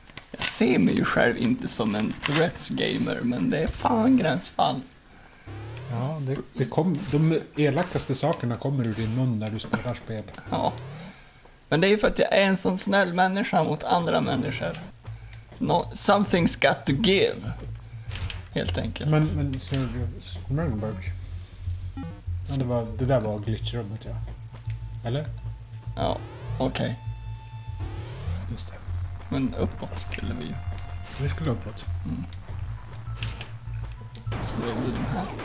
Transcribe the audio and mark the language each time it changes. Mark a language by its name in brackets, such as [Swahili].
[Swedish] Jag ser mig ju själv inte som en Tourette-gamer, men det är fan gränsfall. Ja, de elakaste sakerna kommer ur din mun när du spelar spel. Ja, men det är ju för att jag är en sån snäll människa mot andra människor. [English] No, something's got to give, [Swedish] helt enkelt. Men ser du Smirnberg? Ja, det där var glitchrummet, ja. Eller? Ja, okej. Okay. Just det. Men uppåt skulle vi ju. Vi skulle uppåt. Mm. Så det blir den här.